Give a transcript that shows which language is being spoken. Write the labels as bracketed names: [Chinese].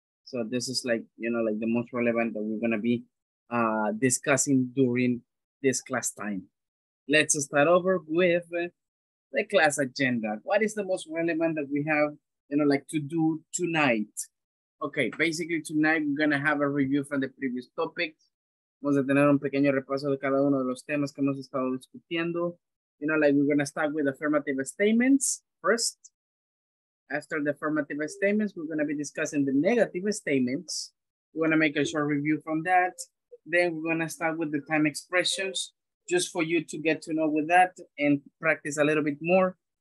[English] So this is like, you know, like the most relevant that we're going to be discussing during this class time. Let's start over with the class agenda. What is the most relevant that we have, you know, like to do tonight? Okay, basically tonight we're gonna have a review from the previous topics. [Spanish] Vamos a tener un pequeño repaso de cada uno de los temas que hemos estado discutiendo. [English] You know, like we're gonna start with affirmative statements first. After the affirmative statements, we're gonna be discussing the negative statements. We're gonna make a short review from that. Then we're gonna start with the time expressions, just for you to get to know with that and practice a little bit more.